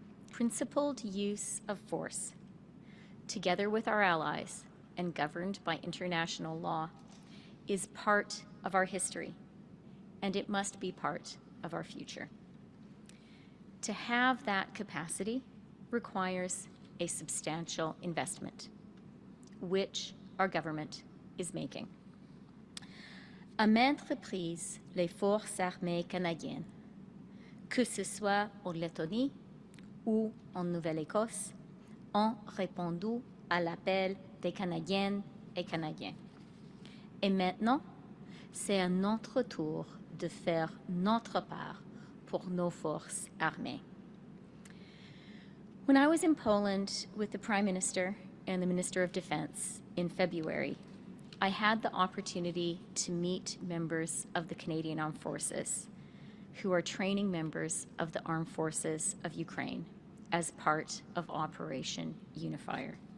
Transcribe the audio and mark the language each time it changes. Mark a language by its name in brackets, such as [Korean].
[English] Principled use of force, together with our allies and governed by international law, is part of our history, and it must be part of our future. To have that capacity requires a substantial investment, which our government is making. [French] À maintes reprises, les forces armées canadiennes, que ce soit en Lettonie ou en Nouvelle-Écosse, ont répondu à l'appel des Canadiennes et Canadiens. Et maintenant, c'est à notre tour de faire notre part pour nos forces armées. [English] When I was in Poland with the Prime Minister and the Minister of Defense in February, I had the opportunity to meet members of the Canadian Armed Forces who are training members of the Armed Forces of Ukraine as part of Operation Unifier.